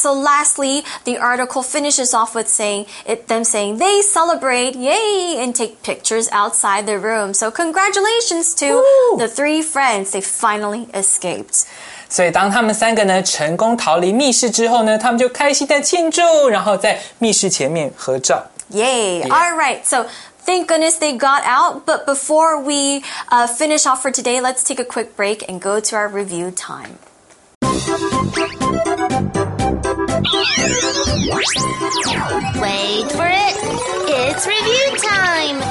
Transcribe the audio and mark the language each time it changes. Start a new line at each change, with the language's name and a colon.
English: So lastly, the article finishes off with saying them saying they celebrate, yay, and take pictures outside their room. So congratulations to the three friends. They finally escaped.
Chinese: 所以当他们三个呢成功逃离密室之后呢，他们就开心的庆祝，然后在密室前面合照。
English: Yay! Yeah. All right, so thank goodness they got out. But before we finish off for today, let's take a quick break and go to our review time. Wait for it! It's review time!